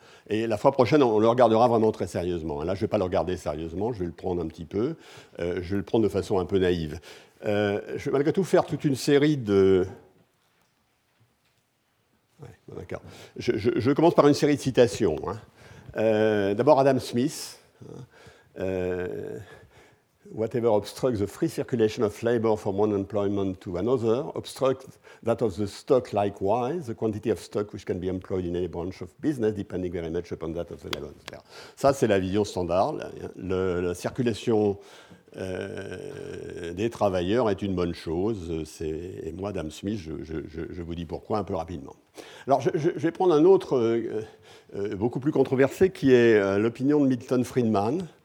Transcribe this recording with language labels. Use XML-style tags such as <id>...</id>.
<fr>Et la fois prochaine, on le regardera vraiment très sérieusement. Là, je ne vais pas le regarder sérieusement, je vais le prendre un petit peu. Je vais le prendre de façon un peu naïve. Je vais malgré tout faire toute une série de... Ouais, bon, d'accord. Je commence par une série de citations. Hein. D'abord, Adam Smith.</fr> <en>« Whatever obstructs the free circulation of labor from one employment to another, obstructs that of the stock likewise, the quantity of stock which can be employed in any branch of business, depending very much upon that of the labor. »</en> <fr>Ça, c'est la vision standard. La circulation des travailleurs est une bonne chose. Et moi, Adam Smith, je vous dis pourquoi un peu rapidement. Alors, je vais prendre un autre, beaucoup plus controversé, qui est l'opinion de Milton Friedman.</fr>